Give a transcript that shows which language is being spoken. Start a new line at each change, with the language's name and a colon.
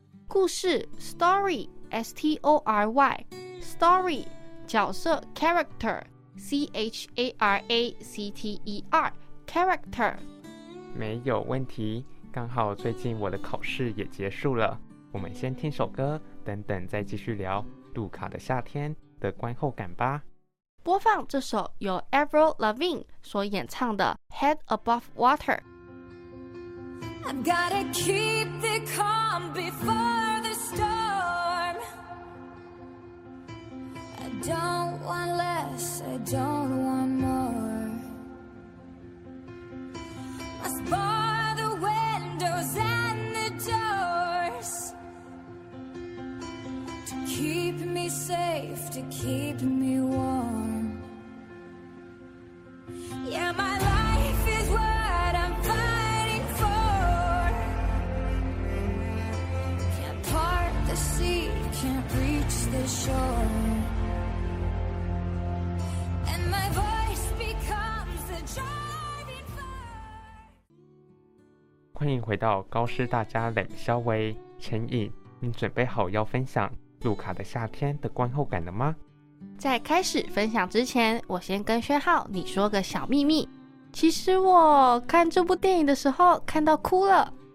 English: 故事 Story S-T-O-R-Y Story 角色 Character C-H-A-R-A-C-T-E-R Character
Chinese: 没有问题，刚好最近我的考试也结束了，我们先听首歌，等等再继续聊路卡的夏天的观后感吧。播放这首由 Avril Lavigne 所演唱的 Head Above Water。
English: I've gotta keep the calm before the storm. I don't want less, I don't want more. Must bar the windows and the doors to keep me safe, to keep me warm. Yeah, my life is what I'm fighting for. Can't part the sea, can't reach the shore. And my voice becomes a driving force.
Chinese: 欢迎回到高师大家冷肖微陈颖，你准备好要分享路卡的夏天的观后感了吗？在开始分享之前，我先跟轩浩你说个小秘密。其实我看这部电影的时候看到哭了。